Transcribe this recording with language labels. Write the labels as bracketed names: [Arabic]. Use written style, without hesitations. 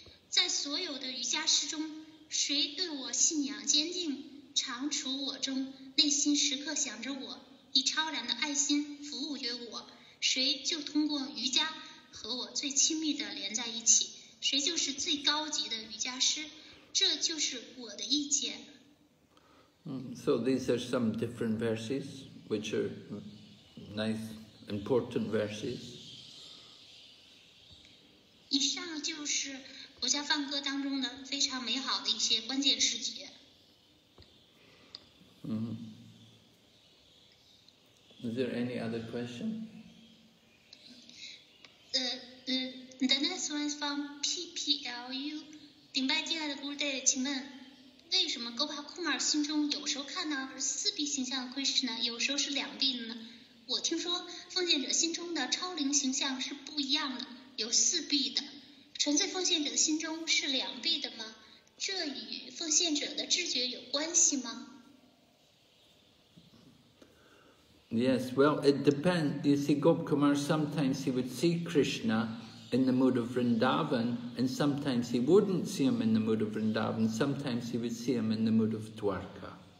[Chinese] 在所有的瑜伽师中，谁对我信仰坚定，常处我中，内心时刻想着我，以超然的爱心服务于我，谁就通过瑜伽和我最亲密的连在一起，谁就是最高级的瑜伽师。这就是我的意见。 [English] So these are some different verses, which are nice, important verses. [Chinese] 以上就是国家梵歌当中的非常美好的一些关键诗节。 [English] Is there any other question? The next one is from PPLU. [Chinese] 顶拜敬爱的 Gurudev， 请问为什么 Gopal Kumar 心中有时候看到是四臂形象的 Krishna， 有时候是两臂的呢？我听说奉献者心中的超灵形象是不一样的，有四臂的。纯粹奉献者的心中是两臂的吗？这与奉献者的知觉有关系吗？ [English] Yes, well, it depends. You see, Gop Kumar, sometimes he would see Krishna in the mood of Vrindavan, and sometimes he wouldn't see him in the mood of Vrindavan, sometimes he would see him in the mood of Dwarka.